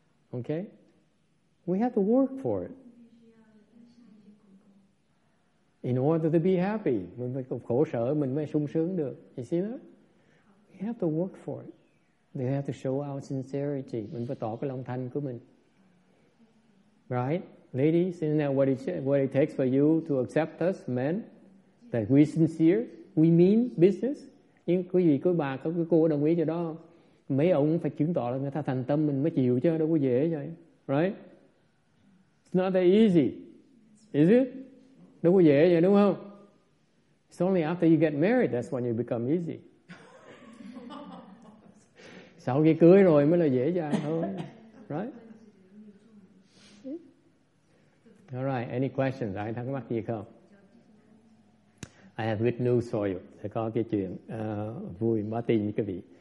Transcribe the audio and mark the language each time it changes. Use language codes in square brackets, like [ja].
[en] Okay, we have to work for it in order to be happy. [vi] Mình phải khổ sở mình mới sung sướng được. [en] You see that? We have to work for it. They have to show our sincerity. [vi] Mình phải tỏ cái lòng thành của mình. [en] Right? Ladies, isn't that what it takes for you to accept us, men? That we sincere? We mean business? [vi] Nhưng quý vị, quý bà, quý cô đồng ý cho đó. Mấy ông phải chứng tỏ là người ta thành tâm mình mới chịu chứ, đâu có dễ vậy. [en] Right? It's not that easy. Is it? [vi] Đâu có dễ vậy, đúng không? [en] It's only after you get married, that's when you become easy. [vi] Sau khi cưới rồi mới là dễ dàng hơn. [en] Right? All right, any questions? [vi] Ai thắc mắc gì không? [en] I have good news for you. [vi] Sẽ có cái chuyện vui, báo tin với quý vị.